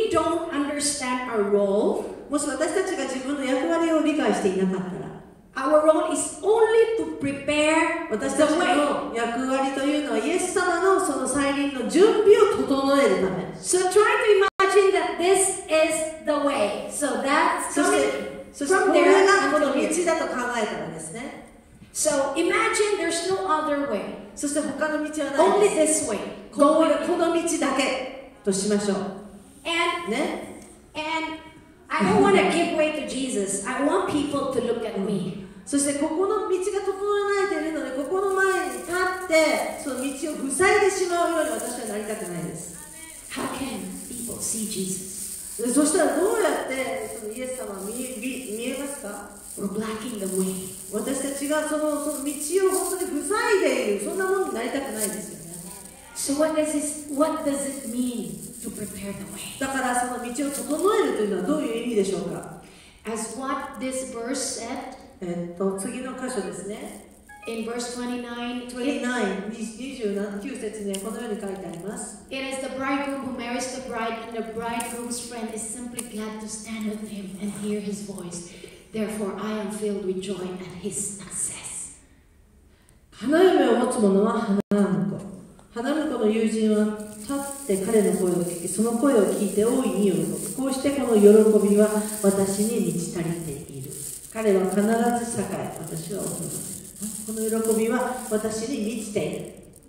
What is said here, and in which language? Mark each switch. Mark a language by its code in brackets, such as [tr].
[ja] もし私たちが自分の役割を理解していなかったら、 [en] Our role is only to prepare the way. [ja] 私たちの役割というのはイエス様のその再臨の準備を整えるため。 [en] So try to imagine that this is the way. So that's coming. [ja] そしてこれがこの道だと考えたらですね。 [en] So imagine there's no other way. [ja] そして他の道はないです。 [en] Only this way. [ja] この道だけとしましょう。 [en] And ね。 And I don't want to give way to Jesus. I want people to look at me. [ja] そしてここの道が整わないでいるので、ここの前に立ってその道を塞いでしまうように私はなりたくないです。 [en] How can people see Jesus? [ja] そしたらどうやってそのイエス様は見えますか？ [en] We're blocking the way. [ja] 私たちがその道を本当に塞いでいる、そんなものになりたくないですよね。 [en] So what does it mean? To prepare the way. [ja] だからその道を整えるというのはどういう意味でしょうか [en] ?As what this verse said, [ja] 次の箇所ですね。 [en] In verse [ja] 29節にこのように書いてあります。 [en] It is the bridegroom who marries the bride, and the bridegroom's friend is simply glad to stand with him and hear his voice. Therefore, I am filled with joy at his success. [ja] 花嫁を持つ者は花嫁。花婿の友人は立って彼の声を聞き、その声を聞いて大いに喜ぶ。こうしてこの喜びは私に満ち足りている。彼は必ず栄え、私は衰える。この喜びは私に満ちている。